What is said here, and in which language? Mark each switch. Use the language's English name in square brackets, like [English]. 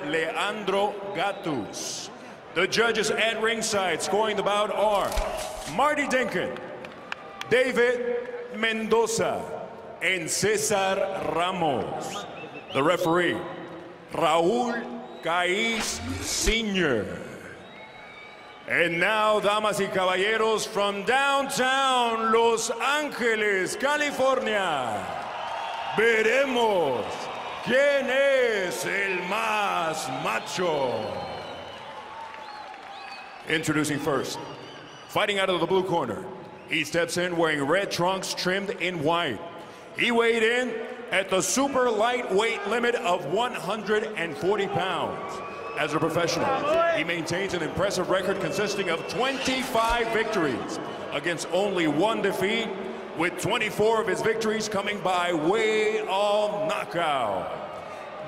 [English] Leandro Gatus. The judges at ringside scoring the bout are Marty Dinkin, David Mendoza, and Cesar Ramos. The referee, Raul Caiz Sr. And now, [Spanish] damas y caballeros, [English] from downtown [Spanish] Los Angeles, California, veremos quién es el más macho. [English] Introducing first, fighting out of the blue corner, he steps in wearing red trunks trimmed in white. He weighed in at the super lightweight limit of 140 pounds. As a professional, he maintains an impressive record consisting of 25 victories against only one defeat, with 24 of his victories coming by way of knockout.